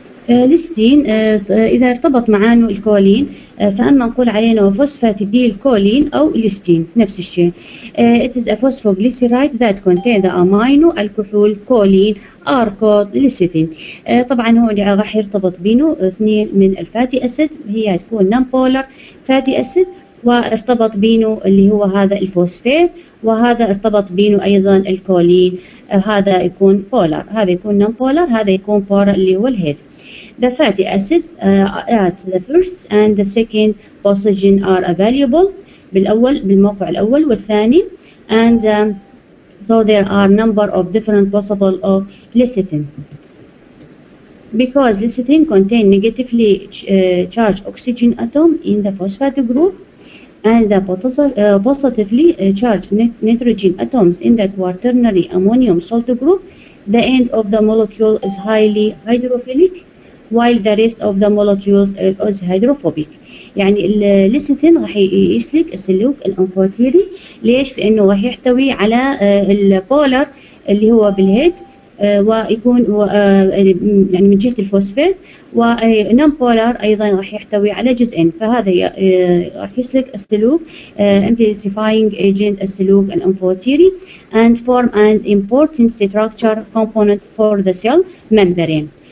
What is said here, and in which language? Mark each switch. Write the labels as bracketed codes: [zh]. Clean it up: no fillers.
[ar] الستين اذا ارتبط معانه الكولين فاما نقول عليه انه فوسفاتيديل كولين او الستين نفس الشيء. [en] It is a phosphoglyceride that contains the amino [ar] الكحول كولين اركود ليستين. طبعا هو اللي راح يرتبط بينه اثنين من الفاتي اسيد، هي تكون نون بولر فاتي اسيد، وارتبط بينه اللي هو هذا الفوسفات، وهذا ارتبط بينه ايضا الكولين، هذا يكون بولر، هذا يكون نون بولر، هذا يكون بولر اللي هو الهيد. [en] The fatty acid at the first and the second position are available، [ar] بالاول بالموقع الاول والثاني. [en] And so there are number of different possible of lecithin. Because lecithin contain negatively charged oxygen atom in the phosphate group and the positively charged nitrogen atoms in the quaternary ammonium salt group, the end of the molecule is highly hydrophilic while the rest of the molecules is hydrophobic. [ar] يعني الليستين راح يسلك السلوك الانفوتيري، ليش؟ لانه راح يحتوي على البولر اللي هو بالهيد ويكون يعني من جهه الفوسفات، ونون بولر ايضا راح يحتوي على جزئين، فهذا راح يسلك السلوك امبليسيفاينج ايجنت السلوك الانفوتيري [en] and form an important structure component for the cell membrane.